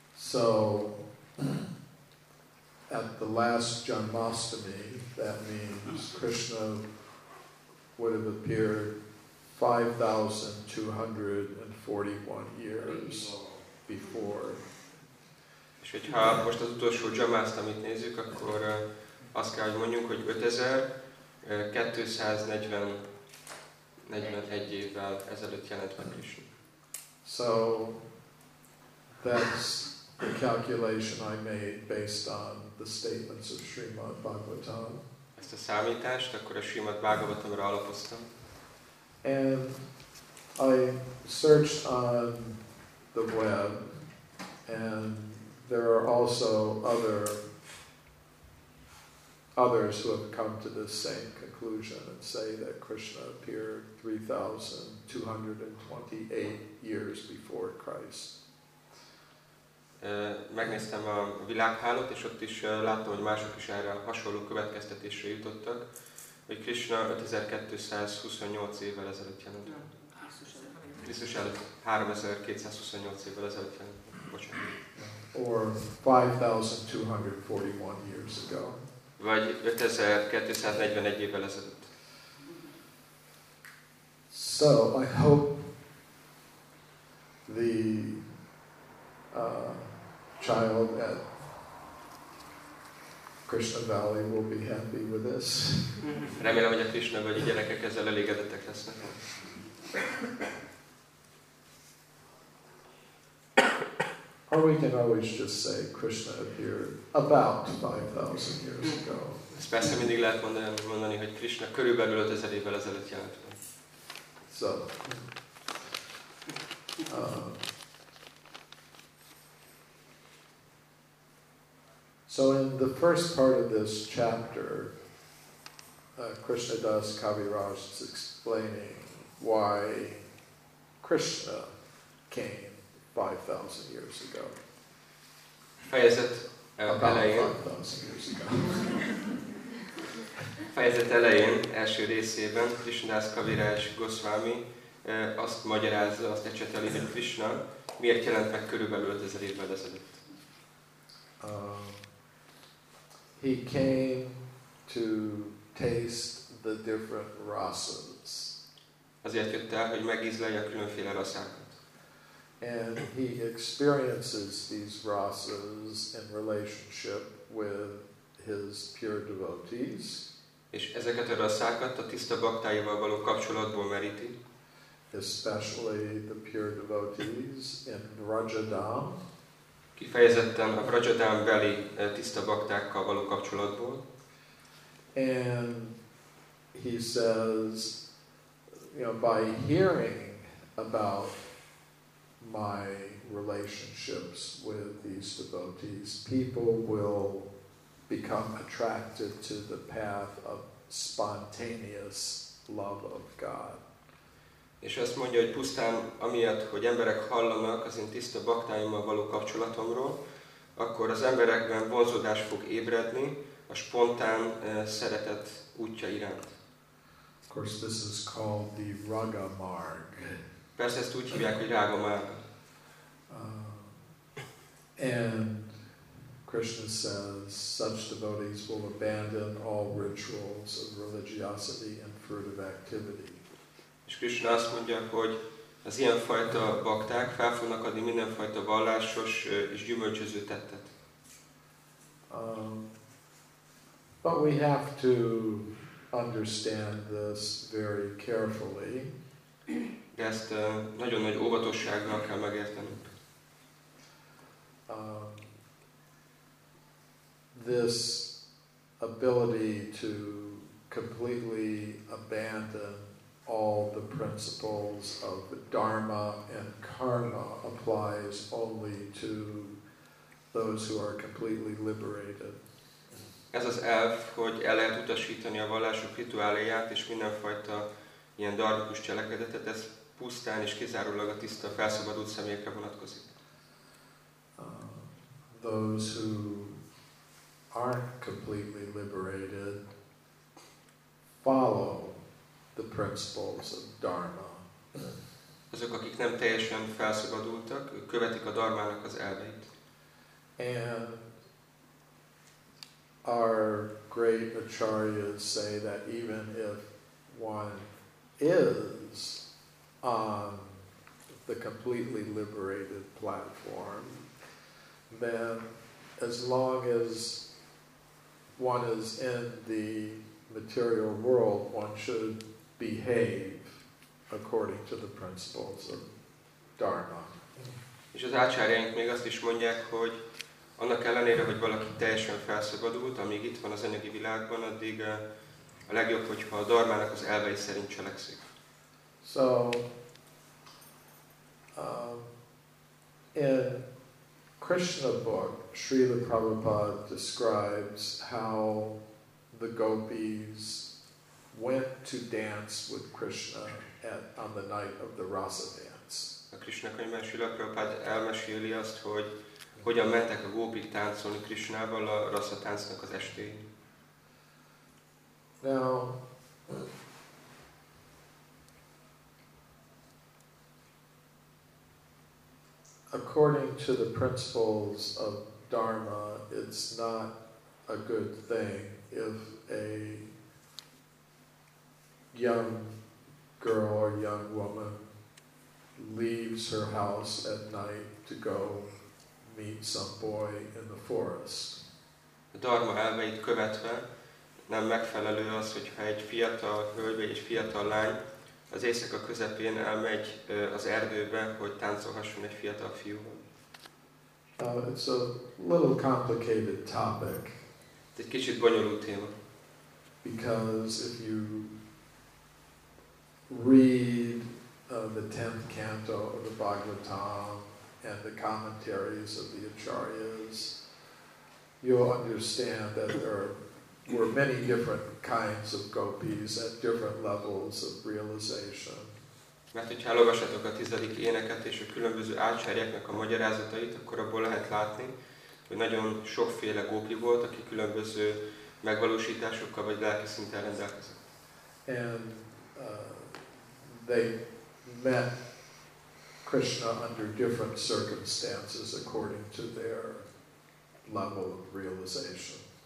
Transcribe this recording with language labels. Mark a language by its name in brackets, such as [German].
[English] So at the last Janmashtami, that means Krishna would have appeared 5241 years before. [Hungarian] És hogyha most az utolsó Janmashtamit nézzük, akkor azt kell, hogy mondjuk, hogy 5241 évvel ezelőtt jelent meg Krishna. [English] So that's the calculation I made based on the statements of Srimad Bhagavatam. [Hungarian] Ezt a számítást akkor a Srimad Bhagavatamra alapoztam. [English] And I searched on the web, and there are also others who have come to this same conclusion and say that Krishna appeared 3228 years before Christ. [Hungarian] Megnéztem a világhálót, és ott is láttam, hogy mások is erre hasonló következtetésre jutottak, hogy Krishna 5228 évvel ezelőtt jelent. Krisztus előtt 3228 évvel ezelőtt jelent. Bocsánat. [English] Or 5241 years ago. [Hungarian] Vagy 5241 évvel ezelőtt. [English] So, I hope the child at Krishna Valley will be happy with this. [Hungarian] Remélem, hogy a Krishna vagy a gyerekek ezzel elégedettek lesznek. [English] Or we can always just say Krishna appeared about 5,000 years ago. [Hungarian] Ezt persze mindig lehet mondani, hogy Krishna körülbelül 5000 évvel ezelőtt jelent meg. [English] So, so in the first part of this chapter, Krishna Das Kaviraj is explaining why Krishna came 5,000 years ago. [Hungarian] Fejezet elején. Fejezet elején, első részében Krishna Das Kaviraj Goswami azt magyarázza, azt ecseteli, hogy Krishna miért jelent meg körülbelül 5000 évvel ezelőtt. [English] He came to taste the different rasas. [Hungarian] Azért jött el, hogy megízlelje a különféle rasákat. [English] And he experiences these rasas in relationship with his pure devotees. [Hungarian] És ezeket a rasszákat a tiszta baktáival való kapcsolatból meríti. [English] Especially the pure devotees in Vrajadham. [Hungarian] Kifejezetten a Vrajadham beli tiszta baktákkal való kapcsolatból. [English] And he says, you know, by hearing about my relationships with these devotees, people will become attracted to the path of spontaneous love of God. [Hungarian] És azt mondja, hogy pusztán amiatt, hogy emberek hallanak az én tiszta baktáimmal való kapcsolatomról, akkor az emberekben vonzódás fog ébredni a spontán szeretet útja iránt. [English] Of course, this is called the Raga Marg. [Hungarian] Persze ezt úgy hívják, hogy Raga Marg. [English] And Krishna says, such devotees will abandon all rituals of religiosity and fruitive activity. [Hungarian] És Krishna azt mondja, hogy az ilyenfajta bakták fel fognak adni mindenfajta vallásos és gyümölcsöző tettet. [English] But we have to understand this very carefully. [Hungarian] De ezt nagyon nagy óvatossággal kell megértenünk. [English] This ability to completely abandon all the principles of the Dharma and Karma applies only to those who are completely liberated. [Hungarian] Ez az elv, hogy el lehet utasítani a vallások rituáléját és mindenfajta ilyen darmikus cselekedetet, ez pusztán és kizárólag a tiszta felszabadult személyekre vonatkozik. [English] Those who aren't completely liberated follow the principles of Dharma. [Hungarian] Azok, akik nem teljesen felszabadultak, követik a dharmának az elveit. [English] And our great acharyas say that even if one is on the completely liberated platform, then as long as one is in the material world, one should behave according to the principles of Dharma. [Hungarian] És az ácsárjaink még azt is mondják, hogy annak ellenére, hogy valaki teljesen felszabadult, amíg itt van az anyagi világban, addig a legjobb, hogyha a Dharmának az elvei szerint cselekszik. [English] So, in Krishna book, Srila Prabhupada describes how the gopis went to dance with Krishna on the night of the Rasa dance. [Hungarian] A Krishna könyvben Srila Prabhupada elmeséli azt, hogy hogyan mentek a gópik táncolni Krishnával a Rasa táncnak az estén. [English] Now, according to the principles of Dharma, it's not a good thing if a young girl or young woman leaves her house at night to go meet some boy in the forest. [Hungarian] A dharma elveit követve nem megfelelő az, hogyha egy fiatal hölgy vagy egy fiatal lány az éjszaka közepén elmegy az erdőbe, hogy táncolhasson egy fiatal fiúval. [English] It's a little complicated topic. [Hungarian] Ez egy kicsit bonyolult téma. [English] Because if you read the 10th canto of the Bhagavatam and the commentaries of the acharyas, you'll understand that there were many different kinds of gopis at different levels of realization. [Hungarian] Mert hogyha elolvassátok a 10. éneket és a különböző ácsárjáknak a magyarázatait, akkor abból lehet látni, hogy nagyon sokféle gópi volt, aki különböző megvalósításokkal vagy lelki szinten rendelkezik. [English] And they met Krishna under different circumstances according to their level of realization.